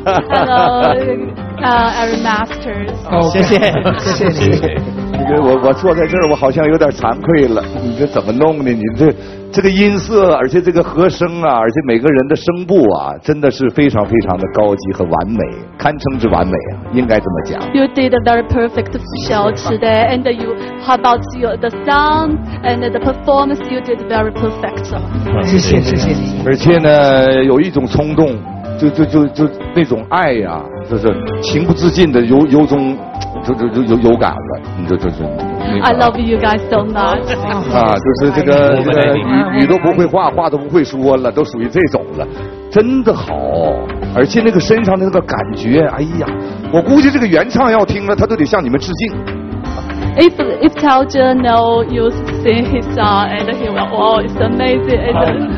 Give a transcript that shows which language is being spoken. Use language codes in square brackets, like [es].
[en] Hello, Masters. [zh] 谢谢，谢谢你。这个我坐在这儿，我好像有点惭愧了。你这怎么弄的？你这个音色，而且这个和声啊，而且每个人的声部啊，真的是非常非常的高级和完美，堪称之完美啊，应该这么讲。 [en] You did a very perfect show today, and you, how about your the sound and the performance? You did very perfect. [zh] 谢谢谢谢你。而且呢，有一种冲动，就那种爱呀、啊，就是情不自禁的由衷。就有感了，你就、那个、 [en] I love you guys so much [zh] 啊，就是这个语都不会话都不会说了，都属于这种了，真的好，而且那个身上的那个感觉，哎呀，我估计这个原唱要听了，他都得向你们致敬。 [en] If Tao Zhen know you sing his song and he will oh it's amazing and